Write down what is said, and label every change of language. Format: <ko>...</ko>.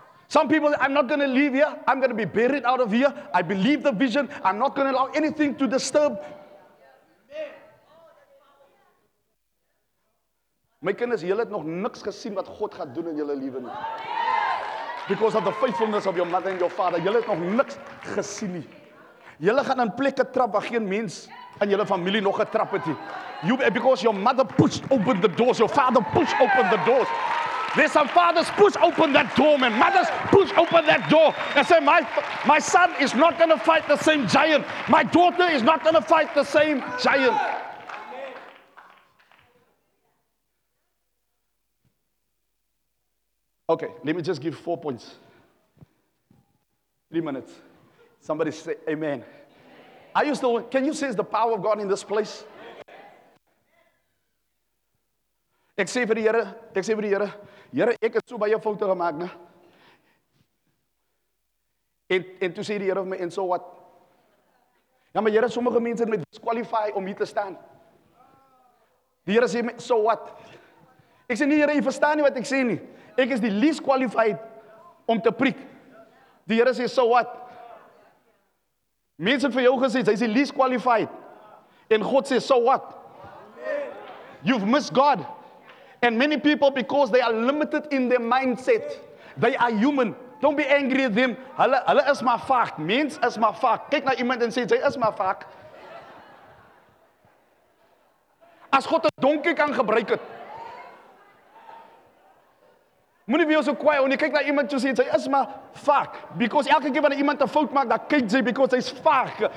<en>Some people, I'm not going to leave here. I'm going to be buried out of here. I believe the vision. I'm not going to allow anything to disturb.</en> <af>My kinders, julle het nog niks gesien wat God gaat doen in julle lewe nie.</af> <en>Because of the faithfulness of your mother and your father.</en> <af>Julle het nog niks gesien nie. Julle gaan in plekke trap waar geen mens in julle familie nog getrap het nie.</af> <en>Because your mother pushed open the doors, your father pushed open the doors. There's some fathers push open that door, man. Mothers push open that door and say, my son is not going to fight the same giant. My daughter is not going to fight the same giant. Okay, let me just give 4 points. 3 minutes. Somebody say amen. Are you still? Can you sense the power of God in this place?</en> <af>Ek sê vir die Here, ek sê vir die Here, Here, ek het so baie foute gemaak, né? En toe sê die Here vir my, en so wat? Ja, maar Here, sommige mense het my disqualify om hier te staan. Die Here sê my, so wat? Ek sê nie, Here, jy verstaan nie wat ek sê nie. Ek is die least qualified om te preek. Die Here sê, so wat? Mense het vir jou gesê, hy is die least qualified. En God sê, so wat?</af> <en>You've missed God. And many people, because they are limited in their mindset, they are human. Don't be angry at them.</en> <af>Hulle is maar vaak. Mens is maar vaak. Kyk na iemand en sê, jy is maar vaak. As God 'n donkie kan gebruik het. Moenie wees so kwaai, want jy kyk na iemand en sê, jy is maar vaak. Because elke keer wanneer iemand 'n fout maak, dan kyk jy, because hy is vaak.</af>